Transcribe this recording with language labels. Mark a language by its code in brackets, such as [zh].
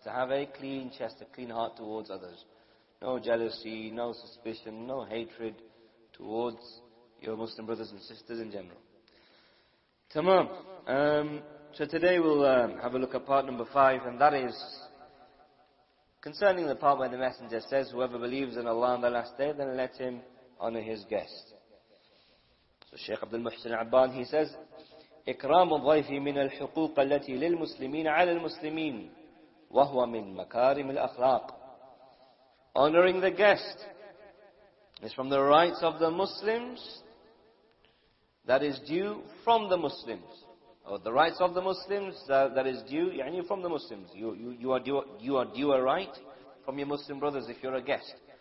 [en] To have a clean chest, a clean heart towards others. No jealousy, no suspicion, no hatred towards your Muslim brothers and sisters in general. Tamam. So today we'll have a look at part number 5, and that is concerning the part where the Messenger says, whoever believes in Allah on the last day, then let him honor his guest. So Shaykh Abdul Muhsin Abban, he says, [ar] إكرام الضيف من الحقوق التي للمسلمين على المسلمين وهو من مكارم الأخلاق. [en] Honoring the guest is from the rights of the Muslims that is due from the Muslims. Or the rights of the Muslims that is due, يعني from the Muslims. You are due a right from your Muslim brothers if you're a guest.